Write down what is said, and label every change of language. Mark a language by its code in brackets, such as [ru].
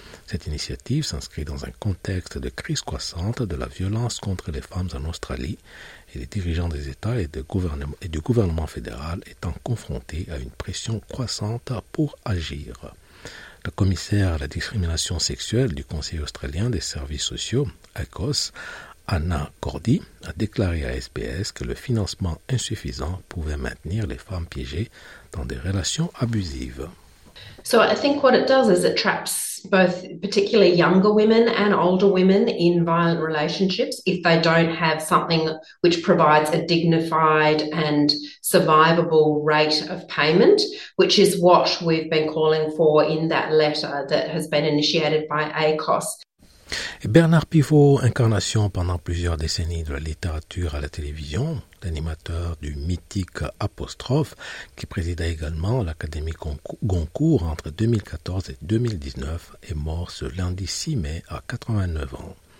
[fr] Cette initiative s'inscrit dans un contexte de crise croissante de la violence contre les femmes en Australie et les dirigeants des États et du gouvernement fédéral étant confrontés à une pression croissante pour agir. La commissaire à la discrimination sexuelle du Conseil australien des services sociaux, ACOS, Anna Cordy, a déclaré à SBS que le financement insuffisant pouvait maintenir les femmes piégées dans des relations abusives. [en] So I think what it does is it traps both particularly younger women and older women in violent relationships if they don't have something which provides a dignified and survivable rate of payment, which is what we've been calling for in that letter that has been initiated by ACOS. [fr] Et Bernard Pivot, incarnation pendant plusieurs décennies de la littérature à la télévision, l'animateur du mythique Apostrophe, qui présida également l'Académie Goncourt entre 2014 et 2019, est mort ce lundi 6 mai à 89 ans.